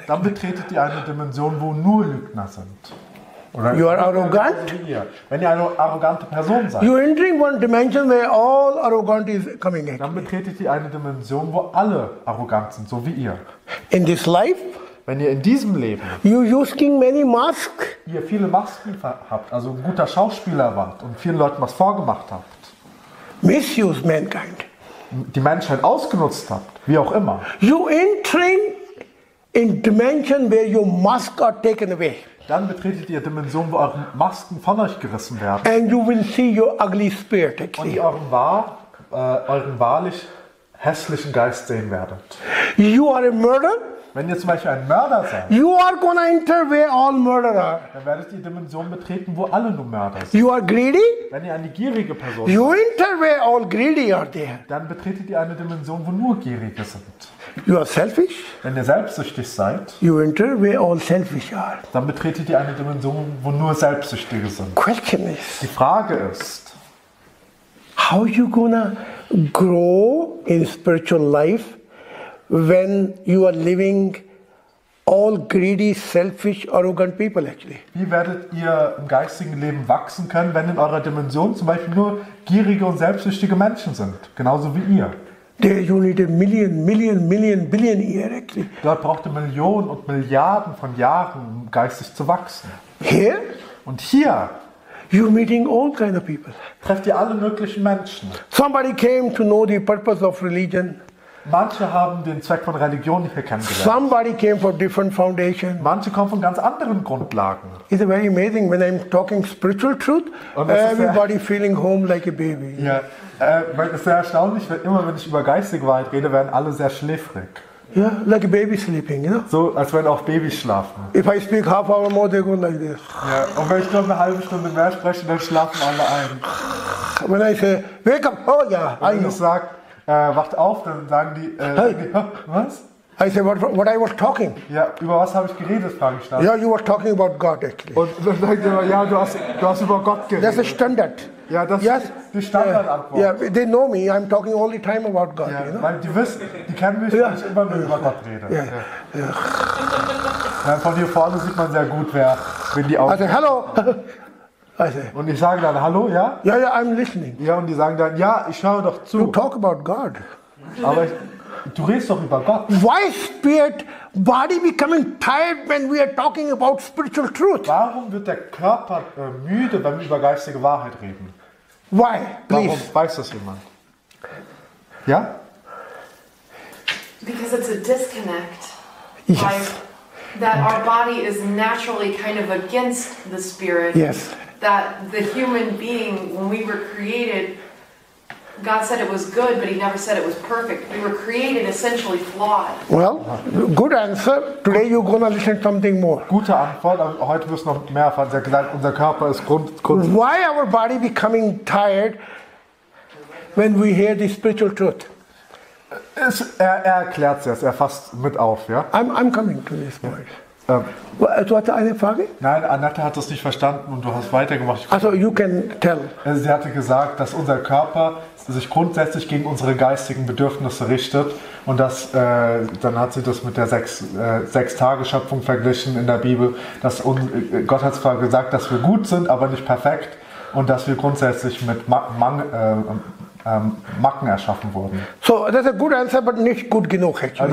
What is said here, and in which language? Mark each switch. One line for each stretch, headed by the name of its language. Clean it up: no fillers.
German: Dann betretet ihr eine Dimension, wo nur Lügner sind. Oder
English: you are arrogant.
German: Wenn ihr eine arrogante Person seid,
English: you entering one dimension where all arrogant is coming
German: in. Dann betretet ihr eine Dimension, wo alle arrogant sind, so wie ihr.
English: In this life.
German: Wenn ihr in diesem Leben
English: you using many masks.
German: Ihr viele Masken habt, also ein guter Schauspieler wart und vielen Leuten was vorgemacht habt.
English: Misuse mankind.
German: Die Menschheit ausgenutzt habt, wie auch immer.
English: You entering in dimension where your mask are taken away.
German: Dann betretet ihr Dimension, wo eure Masken von euch gerissen werden.
English: And you will see your ugly spirit actually.
German: Und ihr euren wahrlich hässlichen Geist sehen werdet.
English: You are a murderer.
German: Wenn ihr zum Beispiel ein Mörder seid,
English: you are gonna enter where all murderer are.
German: Dann werdet ihr die Dimension betreten, wo alle nur Mörder sind.
English: You are greedy.
German: Wenn ihr eine gierige Person
English: you
German: seid,
English: enter where all greedy are there.
German: Dann betretet ihr eine Dimension, wo nur Gierige sind.
English: You are selfish.
German: Wenn ihr selbstsüchtig seid,
English: you enter where all selfish are.
German: Dann betretet ihr eine Dimension, wo nur Selbstsüchtige sind.
English: Question is,
German: die Frage ist,
English: how you gonna grow in spiritual life? When you are living all greedy, selfish, arrogant people actually.
German: Wie werdet ihr im geistigen Leben wachsen können, wenn in eurer Dimension zum Beispiel nur gierige und selbstsüchtige Menschen sind, genauso wie ihr?
English: There you need a million, million, million, billion years actually.
German: Dort braucht ihr Millionen und Milliarden von Jahren, um geistig zu wachsen.
English: Here?
German: Und hier?
English: You meeting all kind of people.
German: Trefft ihr alle möglichen Menschen.
English: Somebody came to know the purpose of religion.
German: Manche haben den Zweck von Religion nicht erkannt.
English: Somebody came from different foundation.
German: Manche kommen von ganz anderen Grundlagen.
English: It's very amazing when I'm talking spiritual truth. Everybody feeling home like a baby.
German: Ja, weil es sehr erstaunlich, wenn immer wenn ich über geistige Wahrheit rede, werden alle sehr schläfrig.
English: Yeah, like a baby sleeping, you know?
German: So, als wenn auch Babys schlafen.
English: If I speak half hour more, they go like this.
German: Ja, und wenn ich nur eine halbe Stunde mehr spreche, dann schlafen alle ein.
English: When I say wake up, oh yeah,
German: wenn ich sag wacht auf, dann sagen die,
English: was? I say, what I was talking.
German: Ja, über was habe ich geredet, frage ich dann.
English: Yeah, you were talking about God, actually.
German: Und dann sagt er, ja, du hast über Gott geredet.
English: That's a standard.
German: Ja, das
English: yes?
German: ist die Standardantwort.
English: Yeah, they know me, I'm talking all the time about God,
German: ja,
English: you know?
German: Weil die kennen mich, dass ich immer nur über Gott rede.
English: Yeah.
German: Ja. Von hier vorne sieht man sehr gut, wenn die Augen...
English: I say, hello!
German: Und ich sage dann, hallo, ja? Ja, ja,
English: I'm listening.
German: Ja, und die sagen dann, ja, ich höre doch zu.
English: You talk about God.
German: Aber du redest doch über Gott.
English: Why spirit body becoming tired when we are talking about spiritual truth?
German: Warum wird der Körper müde, wenn wir über geistige Wahrheit reden?
English: Why, please?
German: Warum weiß das jemand? Ja?
English: Because it's a disconnect. Yes. That our body is naturally kind of against the spirit. Yes. That the human being, when we were created, God said it was good, but he never said it was perfect. We were created essentially flawed. Well, good answer. Today you're going to listen something more.
German: Gute Antwort, heute wirst du noch mehr erfahren. Sehr gesagt, unser Körper ist grundlos.
English: Why our body becoming tired when we hear the spiritual truth?
German: Er erklärt es, er fasst mit auf, ja?
English: I'm coming to this point.
German: Ja. Du hattest eine Frage? Nein, Annette hat das nicht verstanden und du hast weitergemacht.
English: Also, you can tell.
German: Sie hatte gesagt, dass unser Körper sich grundsätzlich gegen unsere geistigen Bedürfnisse richtet und das, dann hat sie das mit der Sechs-Tage-Schöpfung verglichen in der Bibel, dass Gott hat zwar gesagt, dass wir gut sind, aber nicht perfekt und dass wir grundsätzlich mit Macken erschaffen wurden.
English: So, that's a good answer, but
German: nicht gut genug,
English: actually.